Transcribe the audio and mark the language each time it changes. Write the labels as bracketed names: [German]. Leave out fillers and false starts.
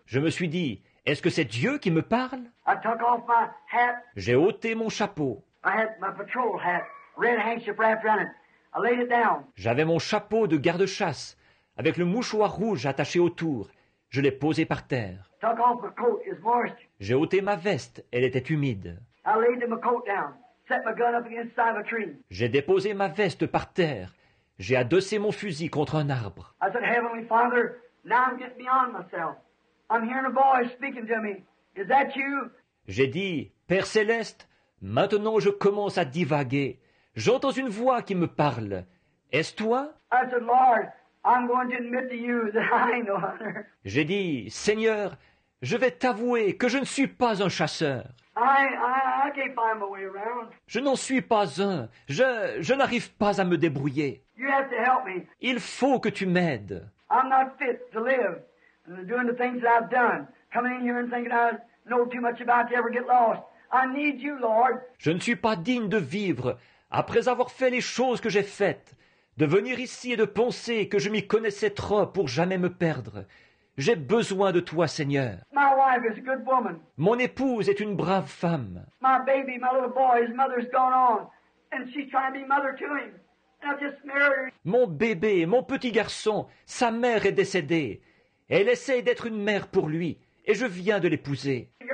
[French] Je me suis dit, est-ce que c'est Dieu qui me parle? [English] I took off my hat. [French] J'ai ôté mon chapeau. [English] I had my patrol hat, red handkerchief wrapped around it. I laid it down. [French] J'avais mon chapeau de garde-chasse avec le mouchoir rouge attaché autour. Je l'ai posé par terre. [English] I took off my coat, it's moist. [French] J'ai ôté ma veste, elle était humide. [English] I laid my coat down, set my gun up against the side of a tree. [French] J'ai déposé ma veste par terre. J'ai adossé mon fusil contre un arbre. [English] I said, Heavenly Father, now I'm getting beyond myself. I'm hearing a voice speaking to me. Is that you? [French] J'ai dit, Père Céleste, maintenant je commence à divaguer. J'entends une voix qui me parle. Est-ce toi? [English] I said, Lord, I'm going to admit to you that I ain't no hunter. [French] J'ai dit, Seigneur, je vais t'avouer que je ne suis pas un chasseur. [English] I can't find my way around. [French] Je n'en suis pas un. Je n'arrive pas à me débrouiller. [English] You have to help me. [French] Il faut que tu m'aides. [English] I'm not fit to live. Doing the things that I've done, coming in here and thinking I know too much about to ever get lost. I need you, Lord. [French] Je ne suis pas digne de vivre après avoir fait les choses que j'ai faites, de venir ici et de penser que je m'y connaissais trop pour jamais me perdre. J'ai besoin de toi, Seigneur. [English] My wife is a good woman. [French] Mon épouse est une brave femme. [English] My baby, my little boy, his mother's gone on, and she's trying to be mother to him. And I've just married her. [French] Mon bébé, mon petit garçon, sa mère est décédée. Elle essaie d'être une mère pour lui, et je viens de l'épouser.